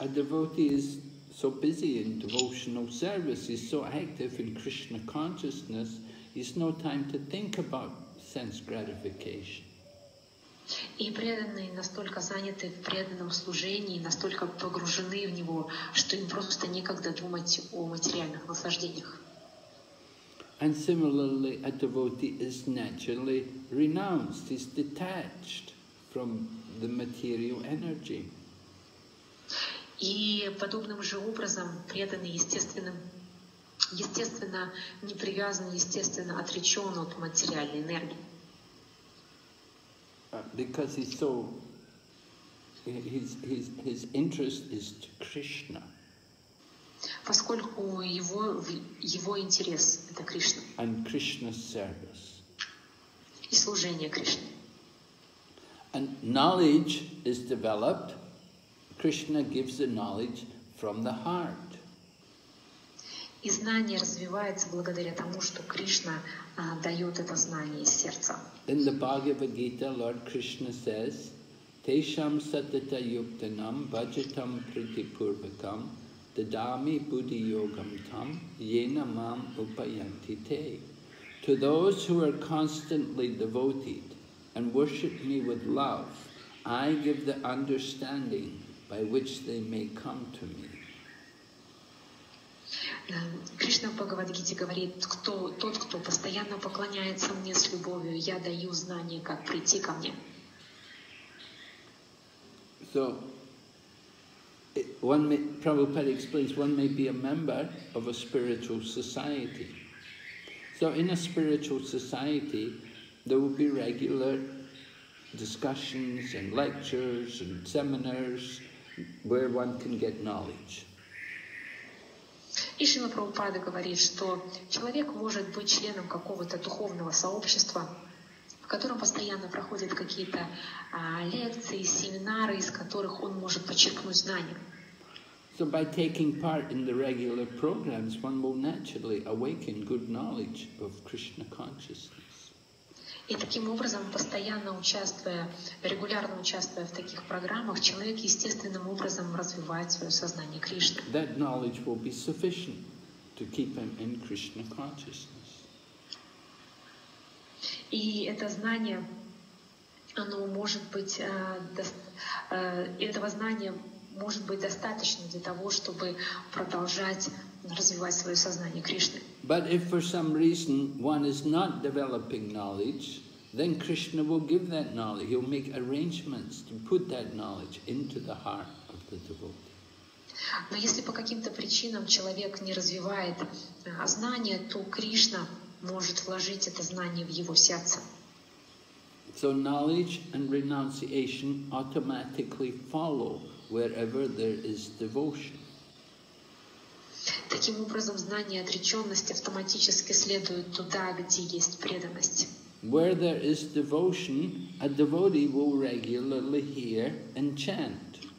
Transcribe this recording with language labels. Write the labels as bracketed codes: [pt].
[en] A devotee is so busy in devotional service, he's so active in Krishna consciousness, it's no time to think about sense gratification. [ru] И преданные настолько заняты в преданном служении, настолько погружены в него, что им просто некогда думать о материальных наслаждениях. [en] And similarly, a devotee is naturally renounced, is detached from the material energy. [ru] И подобным же образом преданный естественно не привязан, естественно отречен от материальной энергии. [en] Because he's so, his interest is to Krishna. [ru] Поскольку его интерес это Кришна. [en] And Krishna's service. [ru] И служение Кришне. [en] And knowledge is developed. Krishna gives the knowledge from the heart. [ru] И знание развивается благодаря тому, что Кришна дает это знание из сердца. [en] In the Bhagavad Gita, Lord Krishna says, [sa] Tesham satata yuktanam bhajatam pritipurvakam dadami buddhi yogam tam yena mam upayanti te. [en] To those who are constantly devoted and worship me with love, I give the understanding by which they may come to me. [ru] Кришна в Бхагавад-гите говорит, тот, кто постоянно поклоняется мне с любовью, я даю знание, как прийти ко мне. [en] So, Prabhupada explains, one may be a member of a spiritual society. So in a spiritual society, there will be regular discussions and lectures and seminars where one can get knowledge. [ru] И Шрила Прабхупада говорит, что человек может быть членом какого-то духовного сообщества, в котором постоянно проходят какие-то лекции, семинары, из которых он может почерпнуть знания. [en] So by taking part in the regular programs, one will naturally awaken good knowledge of Krishna consciousness. [ru] И таким образом, постоянно участвуя, регулярно участвуя в таких программах, человек естественным образом развивает свое сознание Кришны. [en] That knowledge will be sufficient to keep him in Krishna consciousness. [ru] И это знание, оно может быть, этого знания может быть достаточно для того, чтобы продолжать развивать свое сознание Кришны. [en] But if for some reason one is not developing knowledge, then Krishna will give that knowledge. He'll make arrangements to put that knowledge into the heart of the devotee. [ru] Но если по каким-то причинам человек не развивает знания, то Кришна может вложить это знание в его сердце. [en] So knowledge and renunciation automatically follow wherever there is devotion. [ru] Таким образом, знание отреченности автоматически следует туда, где есть преданность. [en] Where there is devotion, a devotee will regularly hear and chant.